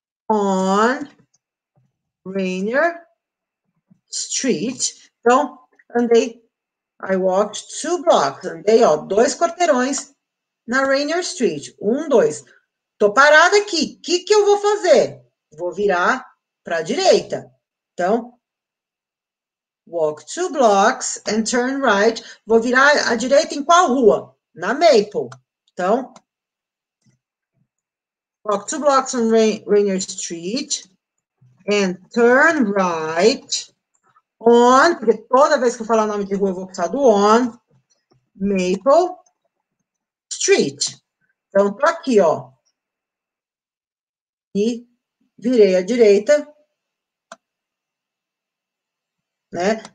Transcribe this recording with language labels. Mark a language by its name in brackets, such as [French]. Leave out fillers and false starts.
[English] On Rainier Street. [Portuguese] Então, andei. [English] I walked two blocks. [Portuguese] Andei, ó, dois quarteirões na Rainier Street. Um, dois. Tô parada aqui. O que que eu vou fazer? Vou virar para a direita. Então, [English] walk two blocks and turn right. [Portuguese] Vou virar à direita em qual rua? Na Maple. Então, [English] walk two blocks on Rainier Street and turn right. [Portuguese] On, porque toda vez que eu falar o nome de rua, eu vou precisar do on, Maple Street. Então, tô aqui, ó. E virei à direita, né?